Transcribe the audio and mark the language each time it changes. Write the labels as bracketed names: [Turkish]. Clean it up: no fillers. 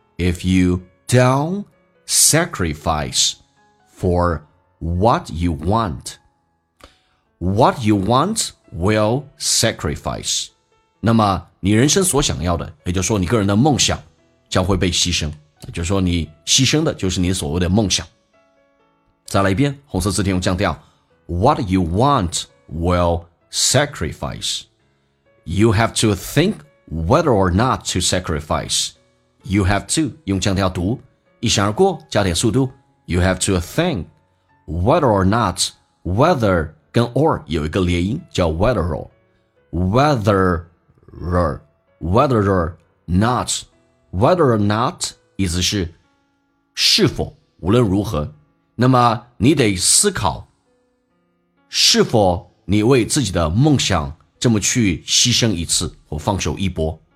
[English] If you don't sacrifice for what you want, what you want will sacrifice. [Chinese] 那么你人生所想要的，也就是说你个人的梦想将会被牺牲，就是说你牺牲的就是你所谓的梦想。再来一遍，红色字体用降调。 [English] What you want will sacrifice. You have to think whether or not to sacrifice. You have to [Chinese] 用降调读，一闪而过加点速度。 [English] You have to think whether or [Chinese] not, whether 跟 or 有一个连音叫 [English] whether or, whether or not [Chinese] 意思是是否，无论如何，那么你得思考是否你为自己的梦想这么去牺牲一次或放手一搏。